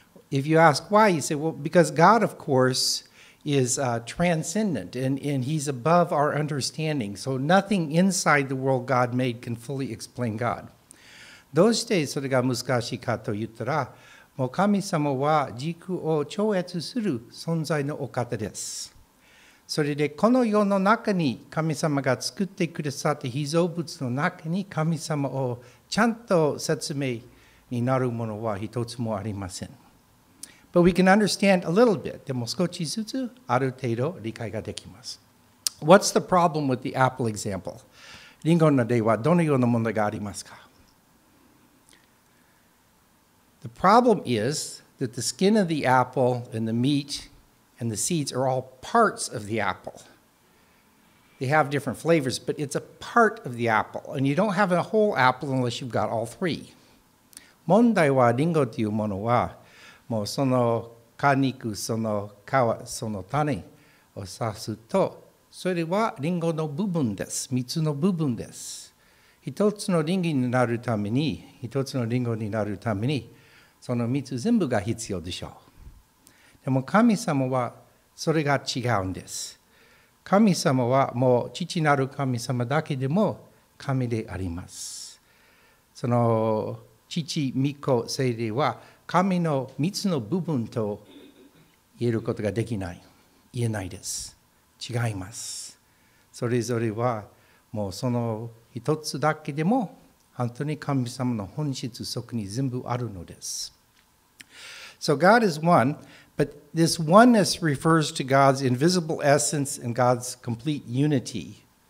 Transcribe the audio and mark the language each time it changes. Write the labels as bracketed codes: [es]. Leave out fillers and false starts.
[en] If you ask why, you say, well, because God, of course, is transcendent, and he's above our understanding, so nothing inside the world God made can fully explain God. [ja] どうしてそれが難しいかと言ったら、もう神様は時空を超越する存在のお方です。それでこの世の中に神様が作ってくださった被造物の中に神様をちゃんと説明になるものは一つもありません。 [en] But we can understand a little bit. [ja] でも少しずつある程度理解ができます。 [en] What's the problem with the apple example? [ja] リンゴの例はどのような問題がありますか？ [en] The problem is that the skin of the apple and the meat and the seeds are all parts of the apple. They have different flavors, but it's a part of the apple. And you don't have a whole apple unless you've got all three. [ja] 問題はリンゴというものは、もうその果肉、その皮、その種を指すと、それはリンゴの部分です。蜜の部分です。一つのリンゴになるために、一つのリンゴになるために、その3つ全部が必要でしょう。でも神様はそれが違うんです。神様はもう父なる神様だけでも神であります。その父、御子、聖霊は神の3つの部分と言えることができない。言えないです。違います。それぞれはもうその1つだけでも本当に神様の本質そこに全部あるのです。 [en] So God is one, but this oneness refers to God's invisible essence and God's complete unity.